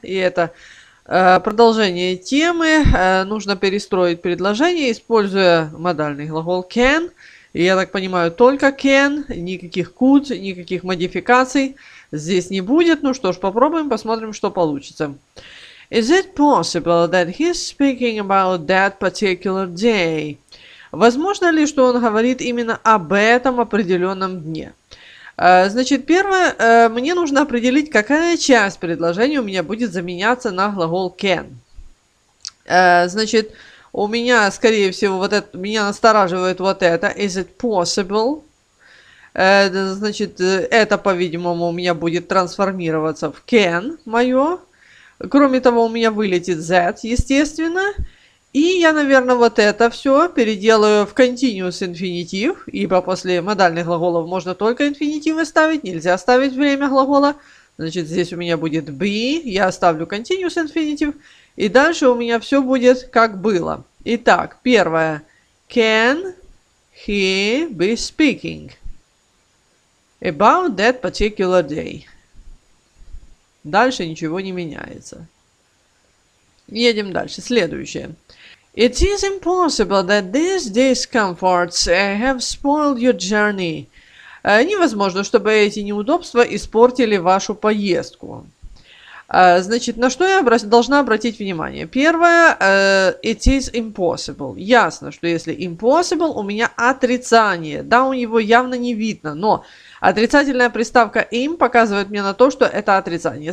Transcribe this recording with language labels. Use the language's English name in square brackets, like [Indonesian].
[Russian] И это продолжение темы. Нужно перестроить предложение, используя модальный глагол can. И я так понимаю, только can, никаких could, никаких модификаций здесь не будет. Ну что ж, попробуем, посмотрим, что получится. [English] Is it possible that he's speaking about that particular day? [Russian] Возможно ли, что он говорит именно об этом определенном дне? Значит, первое, мне нужно определить, какая часть предложения у меня будет заменяться на глагол can. Значит, у меня, скорее всего, вот это, меня настораживает вот это. [English] Is it possible? [Russian] Значит, это, по-видимому, у меня будет трансформироваться в can мое. Кроме того, у меня вылетит that, естественно. И я, наверное, вот это все переделаю в continuous infinitive, ибо после модальных глаголов можно только инфинитивы ставить, нельзя ставить время глагола. Значит, здесь у меня будет be, я ставлю continuous infinitive, и дальше у меня все будет как было. Итак, первое. [English] Can he be speaking about that particular day? [Russian] Дальше ничего не меняется. Едем дальше. Следующее. [English] It is impossible that these discomforts have spoiled your journey. [Russian] Невозможно, чтобы эти неудобства испортили вашу поездку. Значит, на что я должна обратить внимание? Первое, [English] it is impossible. [Russian] Ясно, что если impossible, у меня отрицание. Да, у него явно не видно, но отрицательная приставка im показывает мне на то, что это отрицание.